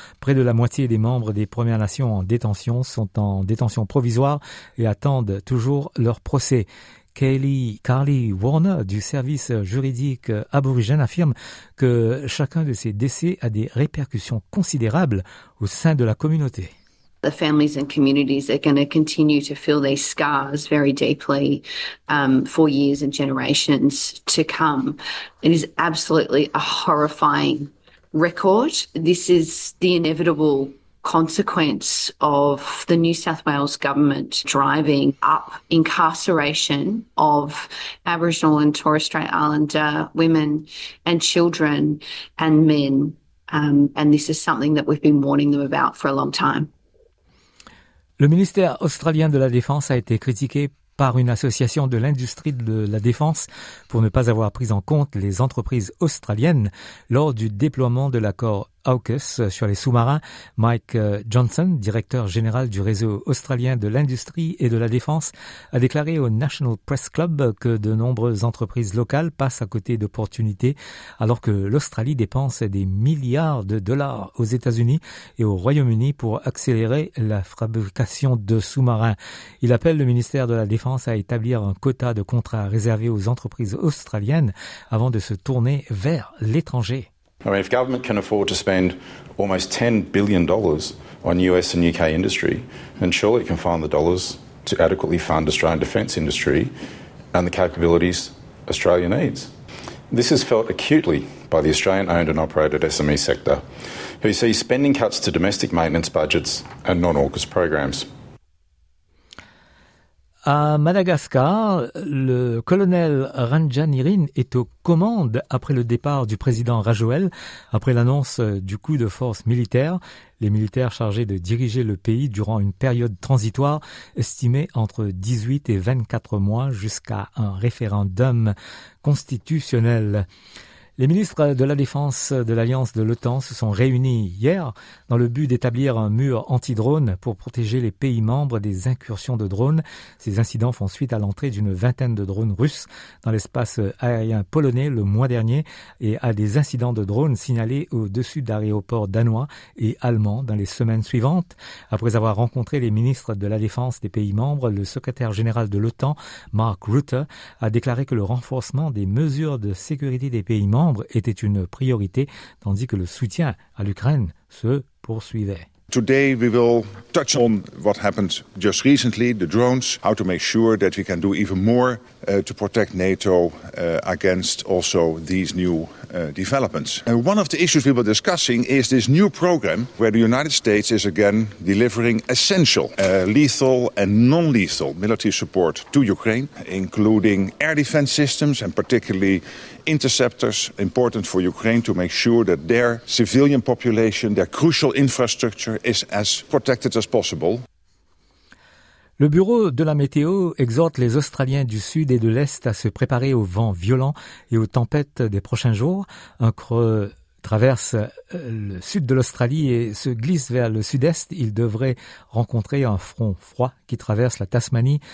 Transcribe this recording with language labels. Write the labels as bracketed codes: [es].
[fr] Près de la moitié des membres des Premières Nations en détention sont en détention provisoire et attendent toujours leur procès. Carly Warner du service juridique aborigène affirme que chacun de ces décès a des répercussions considérables au sein de la communauté. [en] The families and communities are going to continue to feel these scars very deeply for years and generations to come. It is absolutely a horrifying record. This is the inevitable consequence of the New South Wales government driving up incarceration of Aboriginal and Torres Strait Islander women and children and men. And this is something that we've been warning them about for a long time. [fr] Le ministère australien de la Défense a été critiqué par une association de l'industrie de la défense pour ne pas avoir pris en compte les entreprises australiennes lors du déploiement de l'accord AUKUS sur les sous-marins. Mike Johnson, directeur général du réseau australien de l'industrie et de la défense, a déclaré au National Press Club que de nombreuses entreprises locales passent à côté d'opportunités alors que l'Australie dépense des milliards de dollars aux États-Unis et au Royaume-Uni pour accélérer la fabrication de sous-marins. Il appelle le ministère de la Défense à établir un quota de contrats réservés aux entreprises australiennes avant de se tourner vers l'étranger. [en] I mean, if government can afford to spend almost $10 billion on US and UK industry, then surely it can find the dollars to adequately fund Australian defence industry and the capabilities Australia needs. This is felt acutely by the Australian-owned and operated SME sector, who sees spending cuts to domestic maintenance budgets and non-AUKUS programs. [fr] À Madagascar, le colonel Ranjanirin est aux commandes après le départ du président Rajoel. Après l'annonce du coup de force militaire, les militaires chargés de diriger le pays durant une période transitoire estimée entre 18 et 24 mois jusqu'à un référendum constitutionnel. Les ministres de la Défense de l'Alliance de l'OTAN se sont réunis hier dans le but d'établir un mur anti-drone pour protéger les pays membres des incursions de drones. Ces incidents font suite à l'entrée d'une vingtaine de drones russes dans l'espace aérien polonais le mois dernier et à des incidents de drones signalés au-dessus d'aéroports danois et allemands dans les semaines suivantes. Après avoir rencontré les ministres de la Défense des pays membres, le secrétaire général de l'OTAN, Mark Rutte, a déclaré que le renforcement des mesures de sécurité des pays membres était une priorité, tandis que le soutien à l'Ukraine se poursuivait. [en] Today we will touch on what happened just recently, the drones, how to make sure that we can do even more to protect NATO against also these new developments. And one of the issues we were discussing is this new program where the United States is again delivering essential lethal and non-lethal military support to Ukraine, including air defense systems and particularly interceptors, important for Ukraine to make sure that their civilian population, their crucial infrastructure is as protected as possible. [fr] Le bureau de la météo exhorte les Australiens du sud et de l'est à se préparer aux vents violents et aux tempêtes des prochains jours. Un creux traverse le sud de l'Australie et se glisse vers le sud-est. Il devrait rencontrer un front froid qui traverse la Tasmanie.